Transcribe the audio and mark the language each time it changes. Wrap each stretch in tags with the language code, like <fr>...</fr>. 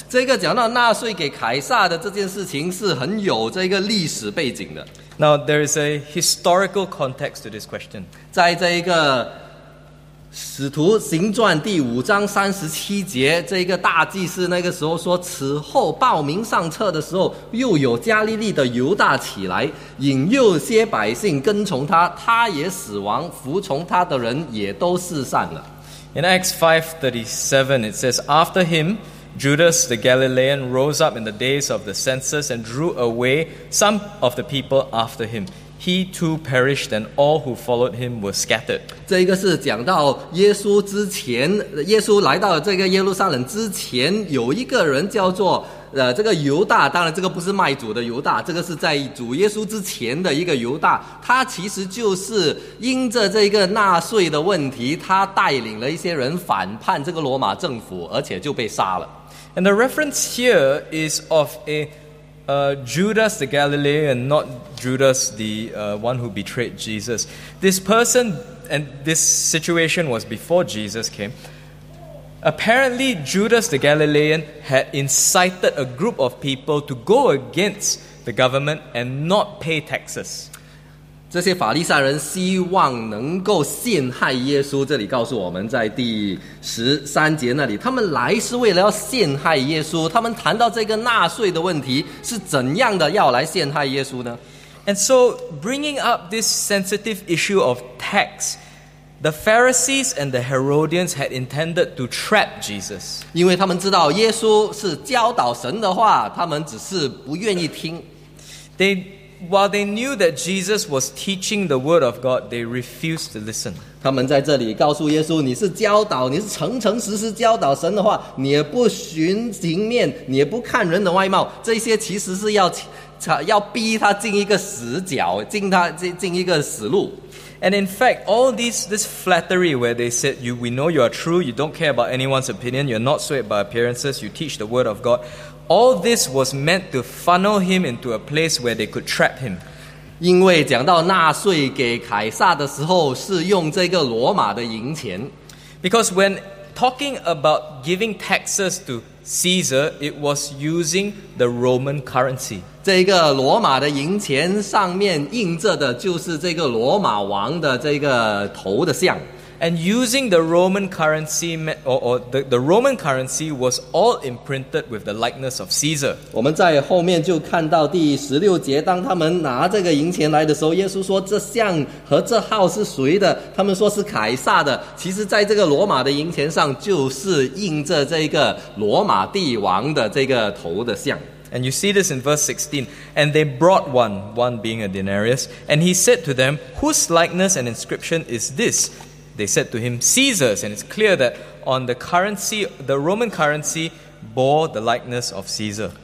<zh>这个讲到纳税给凯撒的这件事情是很有这个历史背景的。</zh> <en>Now, there is a historical context to this question.</en> <zh>在这一个使徒行传第五章三十七节，这一个大祭司那个时候说，此后报名上册的时候，又有加利利的犹大起来，引诱些百姓跟从他，他也死亡，服从他的人也都四散了。</zh> <en>In Acts 5:37, it says, after him, Judas the Galilean rose up in the days of the census and drew away some of the people after him. He too perished, and all who followed him were scattered.</en> <zh>这个是讲到耶稣之前，耶稣来到这个耶路撒冷之前，有一个人叫做这个犹大。当然，这个不是卖主的犹大，这个是在主耶稣之前的一个犹大。他其实就是因着这个纳税的问题，他带领了一些人反叛这个罗马政府，而且就被杀了。</zh> <en>And the reference here is of a Judas the Galilean, not Judas the one who betrayed Jesus. This person and this situation was before Jesus came. Apparently, Judas the Galilean had incited a group of people to go against the government and not pay taxes.</en> <zh>这些法利赛人希望能够陷害耶稣，这里告诉我们在第十三节那里，他们来是为了要陷害耶稣。他们谈到这个纳税的问题是怎样的要来陷害耶稣呢？</zh> <en>And so bringing up this sensitive issue of tax, the Pharisees and the Herodians had intended to trap Jesus.</en> <zh>因为他们知道耶稣是教导神的话，他们只是不愿意听。</zh> <en>While they knew that Jesus was teaching the word of God, they refused to listen.</en> <zh>他们在这里告诉耶稣，你是教导，你是诚诚实实教导神的话，你也不寻情面，你也不看人的外貌，这些其实是要逼他进一个死角，进一个死路。</zh> <en>And in fact, all this flattery where they said, we know you are true, you don't care about anyone's opinion, you're not swayed by appearances, you teach the word of God, all this was meant to funnel him into a place where they could trap him.</en> <zh>因为讲到纳税给凯撒的时候是用这个罗马的银钱。</zh> <en>Because when talking about giving taxes to Caesar, it was using the Roman currency.</en> <zh>这个罗马的银钱上面印着的就是这个罗马王的这个头的像。</zh> <en>And using the Roman currency, the Roman currency was all imprinted with the likeness of Caesar.</en> <zh>我们在后面就看到第十六节，当他们拿这个银钱来的时候，耶稣说：“这像和这号是谁的？” 他们说是凯撒的。其实，在这个罗马的银钱上，就是印着这个罗马帝王的这个头的像。</zh> <en>And you see this in verse 16. And they brought one being a denarius, and he said to them, "Whose likeness and inscription is this?" they said to him, Caesar's. And it's clear that on the currency, the Roman currency bore the likeness of Caesar.</en>